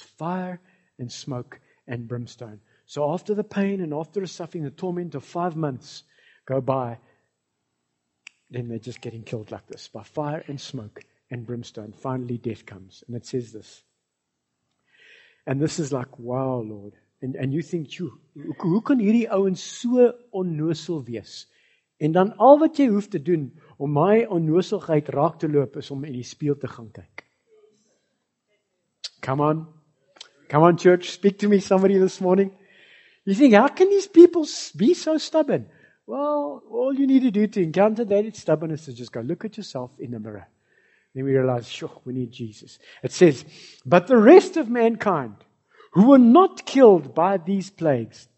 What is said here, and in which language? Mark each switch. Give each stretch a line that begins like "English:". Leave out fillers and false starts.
English: Fire and smoke and brimstone. So after the pain and after the suffering, the torment of 5 months go by, then they're just getting killed like this. By fire and smoke and brimstone, finally death comes. And it says this. And this is like, wow, Lord. And you think, who can
Afrikaans: hierdie ouens so onnoosel wees? En dan al wat jy hoef te doen om my onnoosigheid raak te loop is om in die spieël te gaan kyk.
English: Come on. Come on, church. Speak to me, somebody, this morning. You think, how can these people be so stubborn? Well, all you need to do to encounter that stubbornness is just go look at yourself in the mirror. Then we realize, sure, we need Jesus. It says, but the rest of mankind who were not killed by these plagues